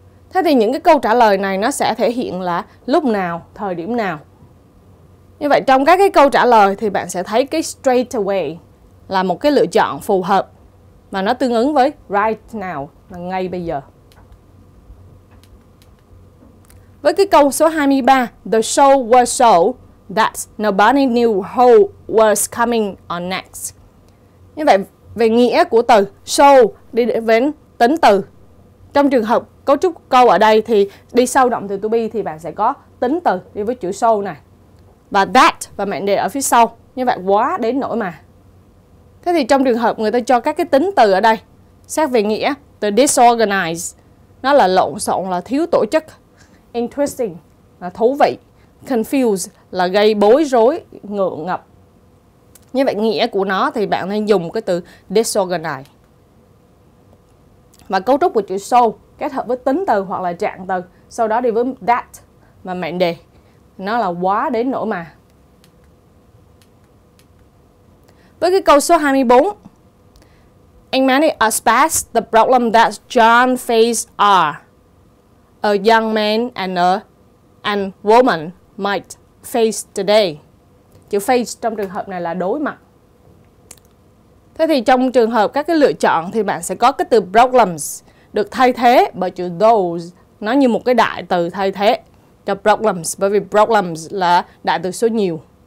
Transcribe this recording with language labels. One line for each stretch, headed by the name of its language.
Vietnamese: Thế thì những cái câu trả lời này nó sẽ thể hiện là lúc nào, thời điểm nào. Như vậy trong các cái câu trả lời thì bạn sẽ thấy cái straight away là một cái lựa chọn phù hợp mà nó tương ứng với
English: right now
Vietnamese: là ngay bây giờ. Với cái câu số 23,
English: the show was so that nobody knew who was coming on next.
Vietnamese: Như vậy về nghĩa của từ show đi đến tính từ. Trong trường hợp cấu trúc câu ở đây thì đi sau động từ to be thì bạn sẽ có tính từ đi với chữ show này. Và that và mệnh đề ở phía sau. Như vậy quá đến nỗi mà. Thế thì trong trường hợp người ta cho các cái tính từ ở đây, xét về nghĩa,
English: the disorganized,
Vietnamese: nó là lộn xộn, là thiếu tổ chức. Interesting, là thú vị. Confused, là gây bối rối, ngượng ngập. Như vậy nghĩa của nó thì bạn nên dùng cái từ disorganized. Và cấu trúc của chữ so kết hợp với tính từ hoặc là trạng từ, sau đó đi với that và mệnh đề. Nó là quá đến nỗi mà. Với cái câu số 24,
English: in many aspects, the problem that John faced are a young man and a woman might face today.
Vietnamese: Chữ face trong trường hợp này là đối mặt. Thế thì trong trường hợp các cái lựa chọn thì bạn sẽ có cái từ problems được thay thế bởi chữ those. Nó như một cái đại từ thay thế cho problems, bởi vì problems là đại từ số nhiều.